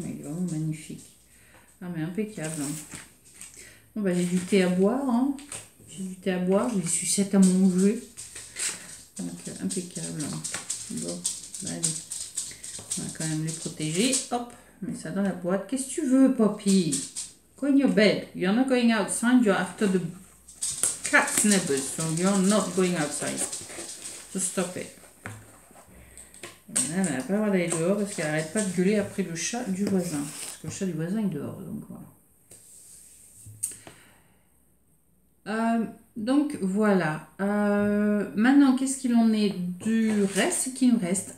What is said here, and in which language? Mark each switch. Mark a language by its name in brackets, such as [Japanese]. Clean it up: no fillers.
[French] Mais il est vraiment magnifique. Ah, mais impeccable. Hein. Bon, bah, j'ai du thé à boire. Hein. J'ai du thé à boire. J'ai des sucettes à manger. Donc, impeccable. Bon, allez. On va quand même les protéger. Hop, mets ça dans la boîte. Qu'est-ce que tu veux, Poppy? [English] Go in your bed. You're not going outside. You're after the cat snippers. So you're not going outside. So stop it. [French] Elle n'a pas le droit d'aller dehors parce qu'elle n'arrête pas de gueuler après le chat du voisin. Parce que le chat du voisin est dehors. Donc voilà. Donc voilà. Maintenant, qu'est-ce qu'il en est du reste qui nous reste?